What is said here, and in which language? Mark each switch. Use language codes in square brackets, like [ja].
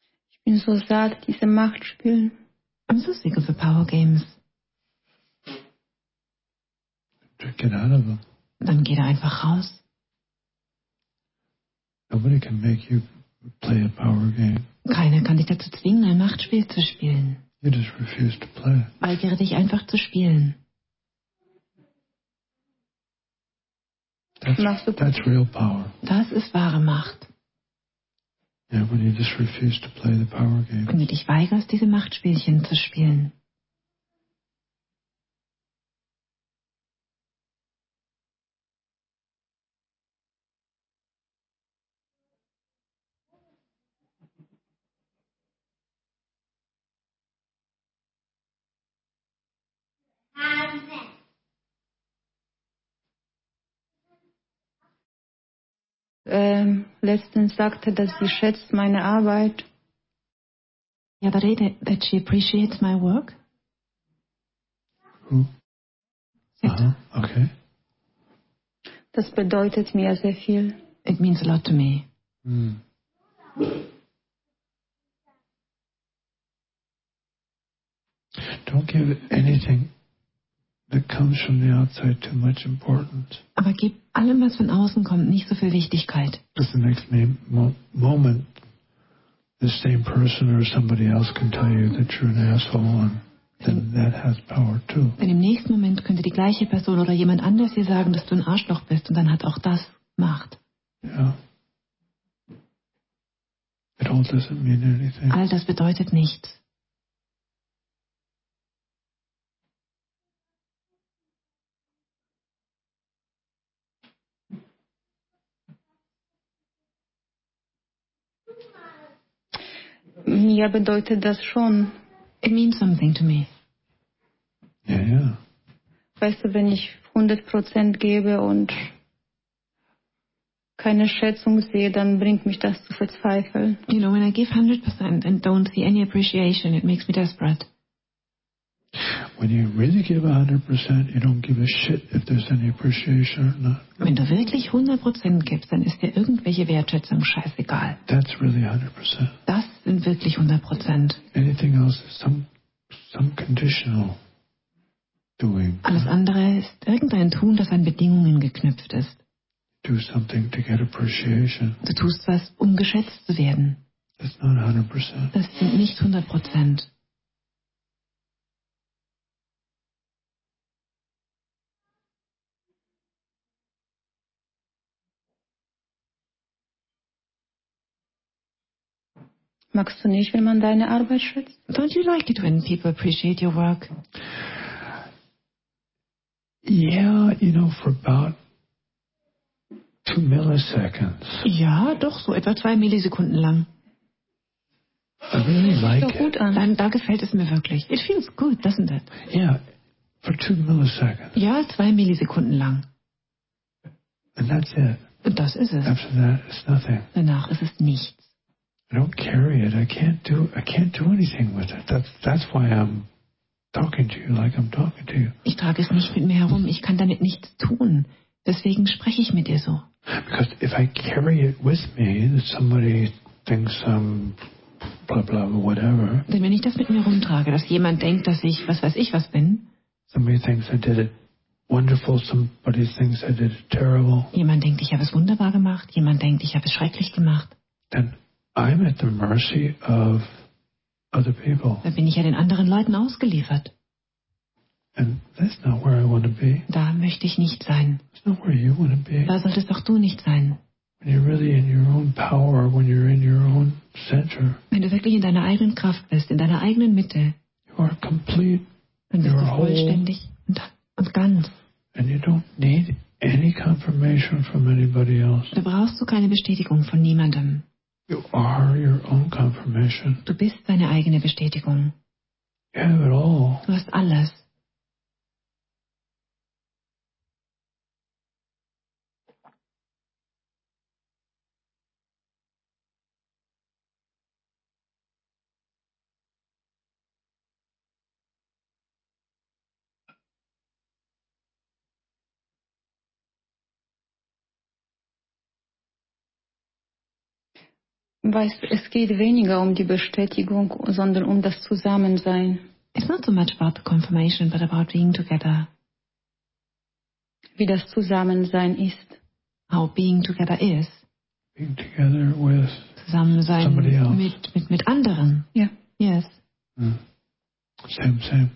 [de] Ich bin so satt, diese Machtspielen. [en] I'm so sick of the power games. Just get out of them. [de] Dann geh da einfach raus. [en] Nobody can make you play a power game. [de] Keiner kann dich dazu zwingen, ein Machtspiel zu spielen. [en] You just refuse to play. [de] Weigere dich einfach zu spielen. [en] That's real power. [de] Das ist wahre Macht. [en] Yeah, when you just refuse to play the power game. [de] Wenn du dich weigerst, diese Machtspielchen zu spielen. Letztens sagte, dass sie schätzt meine Arbeit. Ja, aber rede, [en] that she appreciates my work. Okay. [de] Das bedeutet mir sehr viel. [en] It means a lot to me. Mm. Don't give anything that comes from the outside too much importance. [de] Aber gib allem, was von außen kommt, nicht so viel Wichtigkeit. [en] Because the next moment, the same person or somebody else can tell you that you're an asshole, and then that has power too. [de] Denn im nächsten Moment könnte die gleiche Person oder jemand anders dir sagen, dass du ein Arschloch bist, und dann hat auch das Macht. [en] Yeah. It all doesn't mean anything. [de] All das bedeutet nichts. Ja, bedeutet das schon. [en] It means something to me. [de] Ja, ja. Weißt du, wenn ich 100% gebe und keine Schätzung sehe, dann bringt mich das zu verzweifeln. [en] You know, when I give 100% and don't see any appreciation, it makes me desperate. When you really give 100%, you don't give a shit if there's any appreciation or not. [de] Wenn du wirklich 100% gibst, dann ist dir irgendwelche Wertschätzung scheißegal. [en] That's really 100%. [de] Das sind wirklich 100%. [en] Anything else is some conditional doing. [de] Alles andere ist irgendein Tun, das an Bedingungen geknüpft ist. [en] Do something to get appreciation. [de] Du tust was, um geschätzt zu werden. [en] That's not 100%. [de] Das sind nicht 100%. Magst du nicht, wenn man deine Arbeit schätzt? [en] Don't you like it when people appreciate your work? Yeah, you know, for about 2 milliseconds. [de] Ja, doch, so etwa 2 Millisekunden lang. [en] I really like [de] doch gut Dann, da gefällt es mir wirklich. [en] It feels good, doesn't it? Yeah, for 2 milliseconds. [de] Ja, 2 Millisekunden lang. [en] And that's it. [de] Und das ist es. [en] After that, it's nothing. [de] Danach ist es nichts. [en] I don't carry it. I can't do anything with it. That's why I'm talking to you like I'm talking to you. [de] Ich trage es nicht mit mir herum. Ich kann damit nichts tun. Deswegen spreche ich mit dir so. [en] Because if I carry it with me, that somebody thinks I'm blah blah whatever. [de] Denn wenn ich das mit mir rumtrage, dass jemand denkt, dass ich was weiß ich was bin. [en] Somebody thinks I did it wonderful. Somebody thinks I did it terrible. [de] Jemand denkt, ich habe es wunderbar gemacht. Jemand denkt, ich habe es schrecklich gemacht. [en] Then I'm at the mercy of other people. [de] Da bin ich ja den anderen Leuten ausgeliefert. [en] And that's not where I want to be. [de] Da möchte ich nicht sein. [en] That's not where you want to be. [de] Da solltest auch du nicht sein. [en] When you're really in your own power, when you're in your own center. [de] Wenn du wirklich in deiner eigenen Kraft bist, in deiner eigenen Mitte. [en] You are complete. [de] Dann bist du vollständig und ganz. [en] And you don't need any confirmation from anybody else. [de] Da brauchst du keine Bestätigung von niemandem. [en] You are your own confirmation. [de] Du bist deine eigene Bestätigung. [en] You have it all. [de] Du hast alles. Weißt, es geht weniger um die Bestätigung, sondern um das Zusammensein. [en] It's not so much about the confirmation, but about being together. [de] Wie das Zusammensein ist. [en] How being together is. Being together with [de] Zusammensein [en] somebody else. [de] Mit anderen. [en] Yeah. Yes. Mm. Same, same.